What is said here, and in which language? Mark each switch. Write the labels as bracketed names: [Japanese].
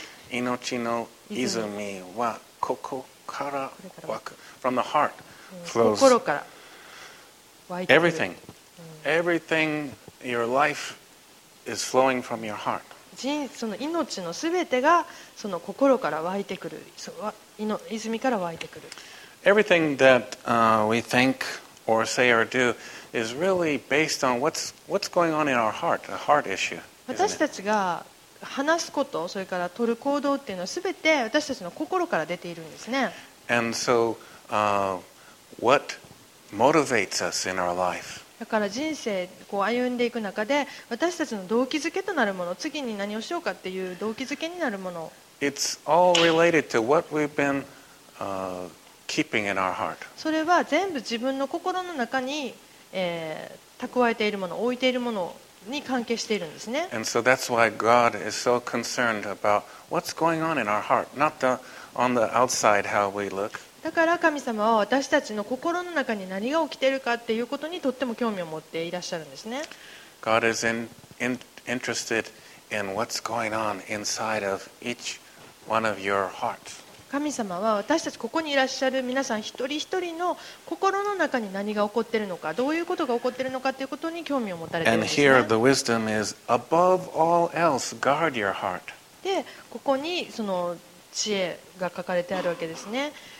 [Japanese] 命の泉はここから湧く。 [English] From the heart flows. [Japanese] 心から湧いてくる。 [English] Everything. Everything, your life is flowing from your heart. [Japanese] その命のすべてがその心から湧いてくる、その泉から湧いてくる。 [English] Everything that we think or say or do is really based on what's going on in our heart, a heart issue. [Japanese] 私たちが話すこと、それから取る行動っていうのはすべて私たちの心から出ているんですね。 [English] And so, what motivates us in our life? [Japanese] だから人生こう歩んでいく中で私たちの動機づけとなるもの、次に何をしようかっていう動機づけになるもの、 [English] It's all related to what we've been, keeping in our heart. [Japanese] それは全部自分の心の中に、蓄えているもの、置いているものに関係しているんですね。 [English] And so that's why God is so concerned about what's going on in our heart, not the, on the outside how we look. [Japanese] だから神様は私たちの心の中に何が起きているかっていうことにとっても興味を持っていらっしゃるんですね。 [English] God is interested in what's going on inside of each one of your hearts. [Japanese] 神様は私たちここにいらっしゃる皆さん一人一人の心の中に何が起こっているのか、どういうことが起こっているのかっていうことに興味を持たれているんですね。 [English] And here the wisdom is above all else, guard your heart. [Japanese] で、ここにその知恵が書かれてあるわけですね。